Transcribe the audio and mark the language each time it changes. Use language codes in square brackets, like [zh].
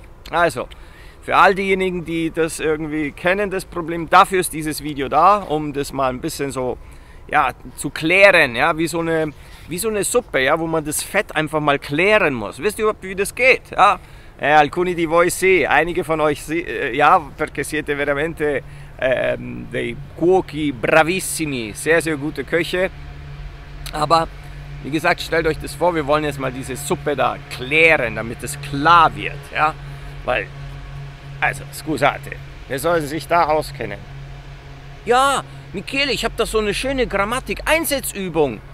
[de] Also, für all diejenigen, die das irgendwie kennen, das Problem, dafür ist dieses Video da, um das mal ein bisschen so, ja, zu klären, ja, wie so eine Suppe, ja, wo man das Fett einfach mal klären muss. Wisst ihr überhaupt, wie das geht? Ja? [it] Alcuni di voi sì, [de] einige von euch, [it] ja, perché siete veramente dei cuochi bravissimi, [de] sehr, sehr gute Köche. Aber, wie gesagt, stellt euch das vor, wir wollen jetzt mal diese Suppe da klären, damit es klar wird, ja. Weil, also, scusate, wer soll sich da auskennen? Ja, Michele, ich habe da so eine schöne Grammatik-Einsatzübung.